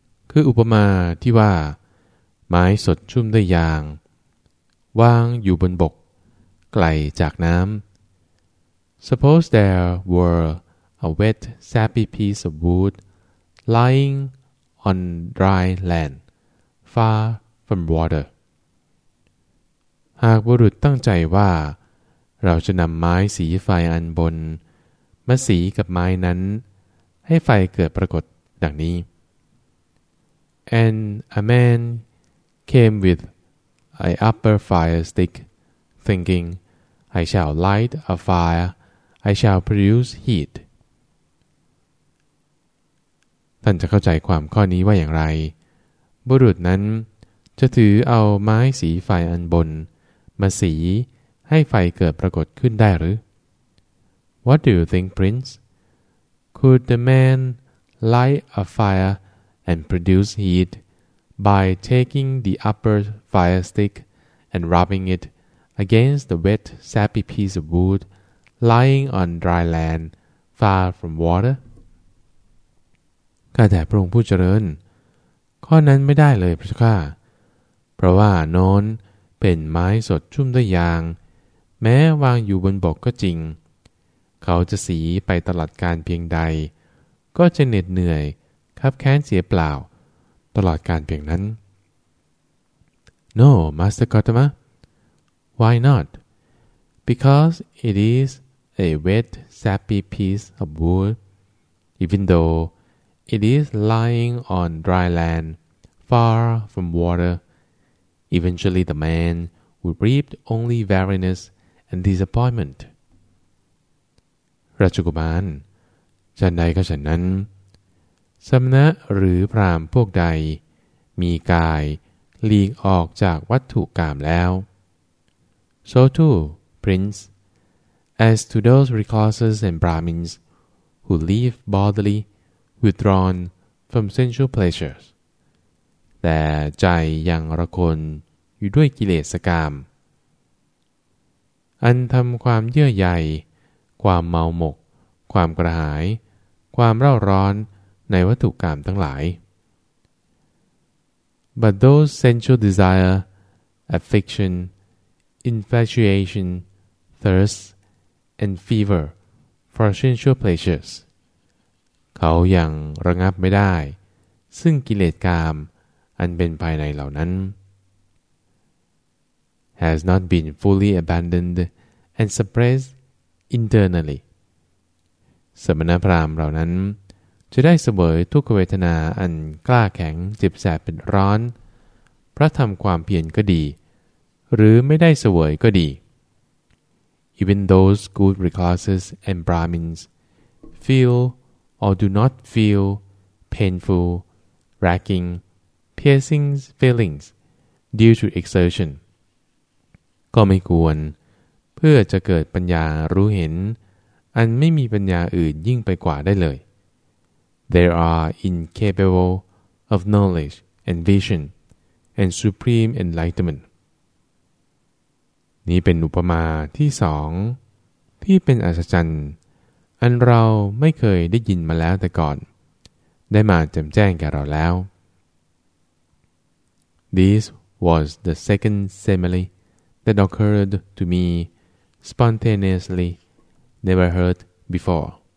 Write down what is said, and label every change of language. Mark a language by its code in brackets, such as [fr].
[th] คืออุปมาที่ว่าไม้สดชุ่มด้วยยางวางอยู่บนบกไกลจากน้ำ [en] Suppose there were a wet, sappy piece of wood lying on dry land, far from water. [th] หากบุรุษตั้งใจว่าเราจะนำไม้สีไฟอันบนมาสีกับไม้นั้นให้ไฟเกิดปรากฏดังนี้ [en] And a man came withI upper fire stick, thinking, I shall light a fire, I shall produce heat. [th] ท่านจะเข้าใจความข้อนี้ว่าอย่างไรบุรุษนั้นจะถือเอาไม้สีไฟอันบนมาสีให้ไฟเกิดปรากฏขึ้นได้หรือ [en] What do you think, Prince? Could the man light a fire and produce heat? By taking the upper fire stick and rubbing it against the wet, sappy piece of wood lying on dry land far from water? [th] ข้าแต่พระองค์ผู้เจริญข้อนั้นไม่ได้เลยพระเจ้าข้าเพราะว่าโน้นเป็นไม้สดชุ่มด้วยยางแม้วางอยู่บนบกก็จริงเขาจะสีไปตลอดกาลเพียงใดก็จะเหน็ดเหนื่อยคับแค้นเสียเปล่าตลอดการเพียงนั้น [en] No, Master Gautama. Why not? Because it is a wet, sappy piece of wood, even though it is lying on dry land, far from water. Eventually, the man would reap only weariness and disappointment. [th] ราชกุมารฉันใดก็ฉันนั้นสมณะหรือพราหมณ์พวกใดมีกายหลีกออกจากวัตถุกามแล้ว [en] So too, Prince, as to those recluses and Brahmins who live bodily withdrawn from sensual pleasures [th] แต่ใจยังระคนอยู่ด้วยกิเลสกามอันทำความเยื่อใยความเมาหมกความกระหายความเร่าร้อนในวัตถุกามทั้งหลาย [en] But those sensual desire, affection, infatuation, thirst, and fever for sensual pleasures [th] เขายังระงับไม่ได้ซึ่งกิเลสกามอันเป็นภายในเหล่านั้น [en] has not been fully abandoned and suppressed internally [th] สมณพราหมณ์เหล่านั้นจะได้เสวยทุกขเวทนาอันกล้าแข็งเจ็บแสบเป็นร้อนเพราะทำความเพียรก็ดีหรือไม่ได้เสวยก็ดี [en] Even those good recluses and Brahmins feel or do not feel painful, racking, piercing feelings due to exertion [th] ก็ไม่ควรเพื่อจะเกิดปัญญารู้เห็นอันไม่มีปัญญาอื่นยิ่งไปกว่าได้เลย [en] They are incapable of knowledge and vision and supreme enlightenment. [th] นี้เป็นอุปมาที่สองที่เป็นอัศจรรย์ อันเราไม่เคยได้ยินมาแล้วแต่ก่อนได้มาแจ่มแจ้งแก่เราแล้ว [en] This was the second simile that occurred to me spontaneously, never heard before.